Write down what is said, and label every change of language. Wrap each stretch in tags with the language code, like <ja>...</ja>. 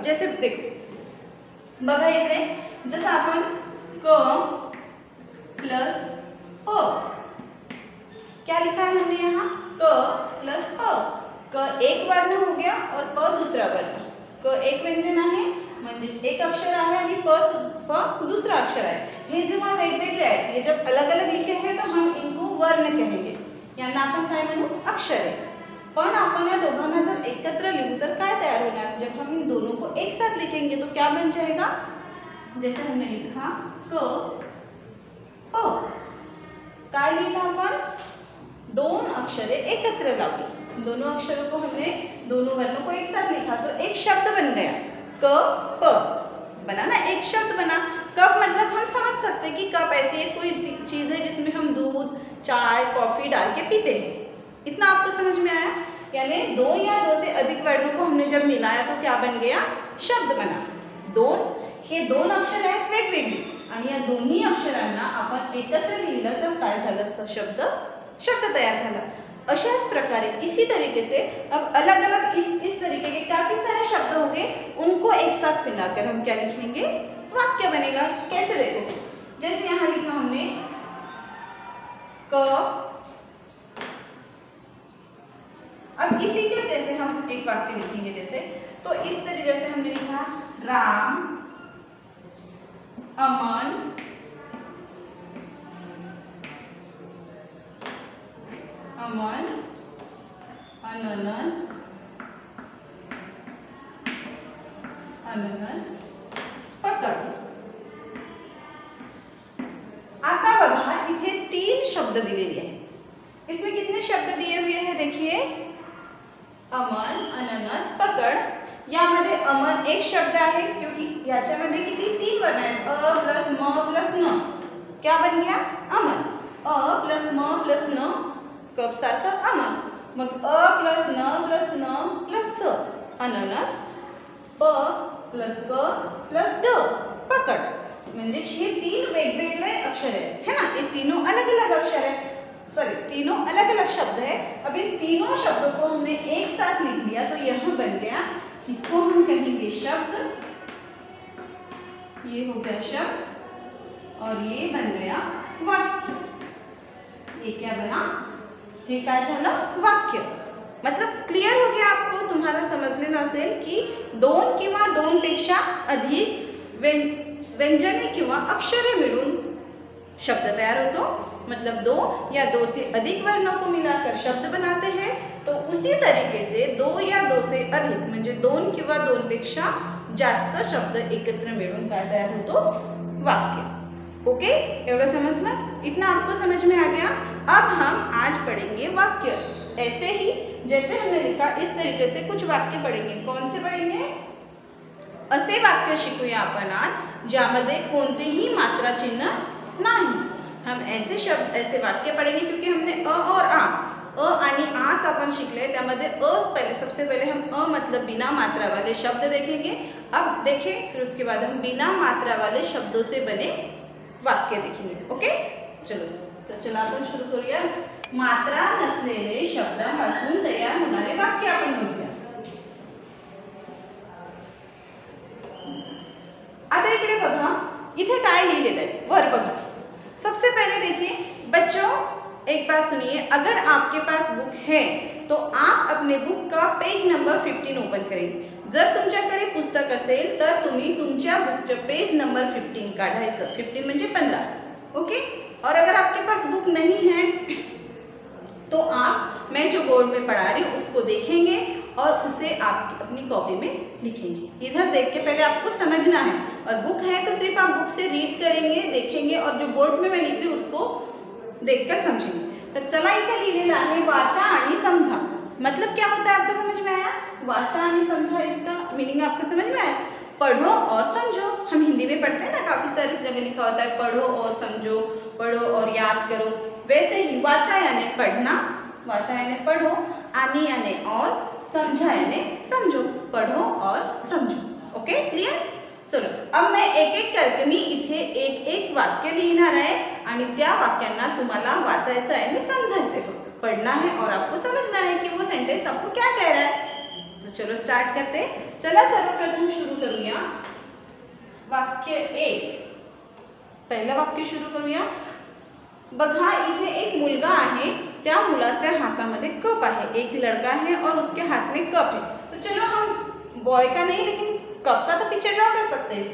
<hi>जैसे देखो</hi> <mr>बघा इकडे, जसं आपण</mr> <hi>क प्लस अ, क्या लिखा है हमने यहाँ? क प्लस अ। क एक वर्ण हो गया और प दूसरा वर्ण। क एक व्यंजन है, एक अक्षर है आणि प दूसरा अक्षर है।</hi> <mr>हे जेव्हा वेगवेगळे आहेत,</mr> <hi>हे जब अलग अलग लिखे हैं तो हम इनको वर्ण कहेंगे,</hi> <mr>यांना आपण काय म्हणू?</mr> <hi>अक्षर है।</hi> <mr>पण आपण या दोघांना जर एकत्र लिहू तर काय तयार होणार?</mr> <hi>जब हम इन दोनों को एक साथ लिखेंगे तो क्या बन जाएगा? जैसे हमने लिखा क प,</hi> <mr>काय लिखा आपण? दोन अक्षरे एकत्र लावली,</mr> <hi>दोनों अक्षरों को हमने दोनों वर्णों को एक साथ लिखा तो एक शब्द बन गया, क प बना ना, एक शब्द बना। कप मतलब हम समझ सकते हैं कि कप ऐसी कोई चीज है जिसमें हम दूध चाय कॉफी डाल के पीते हैं, इतना आपको समझ में आया? यानी दो या दो से अधिक वर्णों को हमने जब मिलाया तो क्या बन गया? शब्द बना।</hi> <mr>दोन हे दोन अक्षर है वेगवेगळे आणि या दोन्ही अक्षरांना आपण एकत्र लिहिलं तर काय झालं? तर शब्द तयार झाला। अशाच प्रकारे</mr> <hi>इसी तरीके से अब अलग अलग इस तरीके के काफी सारे शब्द होंगे, उनको एक साथ मिलाकर हम क्या लिखेंगे? वाक्य बनेगा। कैसे? देखो जैसे यहाँ लिखा हमने क, अब इसी के जैसे हम एक वाक्य लिखेंगे, जैसे तो इस तरीके से हमने लिखा राम अमन अमन अननस अननस पकड़।</hi> <mr>आता बघा इथे तीन शब्द दिलेले आहेत,</mr> <hi>इसमें कितने शब्द दिए हुए हैं? देखिए अमन अननस पकड़,</hi> <mr>यामध्ये अमन एक शब्द आहे क्योंकि याच्यामध्ये किती तीन वर्ण आहेत, अ प्लस म प्लस न,</mr> <hi>क्या बन गया?</hi> <mr>अमन। अ प्लस म प्लस न कप सारखं अमन, मग अ प्लस न प्लस न प्लस स अननस, प प्लस ग प्लस ड पकड। म्हणजे हे तीन वेगवेगळे अक्षर आहेत है ना, हे तीनों अलग अलग अक्षर आहेत,</mr> <hi>सॉरी तीनों अलग अलग शब्द है। अब इन तीनों शब्दों को हमने एक साथ लिख लिया तो यह बन गया, इसको हम कहेंगे शब्द, ये हो गया शब्द और ये बन गया वाक्य। ये क्या बना?</hi> <mr>ये क्या झालं?</mr> <hi>वाक्य। मतलब क्लियर हो गया आपको?</hi> <mr>तुम्हारा समझने ना असेल कि दोन किंवा दोन पेक्षा अधिक व्यंजने किंवा अक्षरे मिळून शब्द तयार होतो।</mr> <hi>मतलब दो या दो से अधिक वर्णों को मिलाकर शब्द बनाते हैं, तो उसी तरीके से दो या दो से अधिक</hi> <mr>म्हणजे दोन किंवा दोनपेक्षा जास्त शब्द एकत्र मिळून काय तयार होतो,</mr> <hi>वाक्य।</hi> <mr>ओके, एवढं समजलं?</mr> <hi>इतना आपको समझ में आ गया। अब हम आज पढ़ेंगे वाक्य, ऐसे ही जैसे हमने लिखा इस तरीके से कुछ वाक्य पढ़ेंगे। कौन से पढ़ेंगे?</hi> <mr>असे वाक्य शिकूया आपण आज ज्यामध्ये कोणतेही मात्रा चिन्ह नाही।</mr> <hi>हम ऐसे शब्द ऐसे वाक्य पढ़ेंगे क्योंकि हमने अ और आ</hi> <mr>अ आणि आच आपण शिकले, त्यामध्ये अ पहिले</mr> <hi>सबसे पहले हम अ मतलब बिना मात्रा वाले शब्द देखेंगे। अब देखें फिर उसके बाद हम बिना मात्रा वाले शब्दों से बने वाक्य देखेंगे।</hi> <mr>ओके, चलो तो चला आपण शुरू करूया। मात्रा नसलेले शब्दापासून तयार होणारे वाक्य आपण बघूया। आता इकडे बघा, इथे काय लिहिलेलं आहे वर बघा।</mr> <hi>सबसे पहले देखिए बच्चों, एक बात सुनिए, अगर आपके पास बुक है तो आप अपने बुक का पेज नंबर 15 ओपन करेंगे।</hi> <mr>जर तुमच्याकडे पुस्तक असेल तर तुम्ही तुमच्या बुकचं पेज नंबर 15 काढायचं, 15 म्हणजे 15।</mr> <hi>ओके, और अगर आपके पास बुक नहीं है तो आप, मैं जो बोर्ड में पढ़ा रही हूँ उसको देखेंगे और उसे आप अपनी कॉपी में लिखेंगे। इधर देख के पहले आपको समझना है, और बुक है तो सिर्फ आप बुक से रीड करेंगे, देखेंगे, और जो बोर्ड में मैं लिख रही हूँ उसको देखकर समझेंगे। तो चला इधर लिखेला है वाचा आणि समझा, मतलब क्या होता है आपको समझ में आया? वाचा आणि समझा, इसका मीनिंग आपको समझ में आया? पढ़ो और समझो। हम हिंदी में पढ़ते हैं ना, काफ़ी सारे जगह लिखा होता है पढ़ो और समझो, पढ़ो और याद करो, वैसे ही वाचा यानी पढ़ना, वाचा यानी पढ़ो, आनी यानी और, समझा यानी समझो, पढ़ो और समझो।</hi> <en>Okay, clear?</en> <hi>चलो अब मैं एक एक करके</hi> <mr>मी इथे एक एक वाक्य लिहिणार आहे आणि त्या वाक्यांना तुम्हाला वाचायचं आहे आणि समजायचं आहे, फक्त</mr> <hi>पढ़ना है और आपको समझना है कि वो सेंटेंस आपको क्या कह रहा है। तो चलो स्टार्ट करते।</hi> <mr>चला सर्वप्रथम शुरू करूया वाक्य एक, पहला वाक्य शुरू करूया। बघा इथे एक मुलगा आहे, त्या मुलाच्या हातामध्ये कप आहे,</mr> <hi>एक लड़का है और उसके हाथ में कप है। तो चलो हम बॉय का नहीं लेकिन कप का तो पिक्चर ड्रॉ कर सकते हैं।</hi>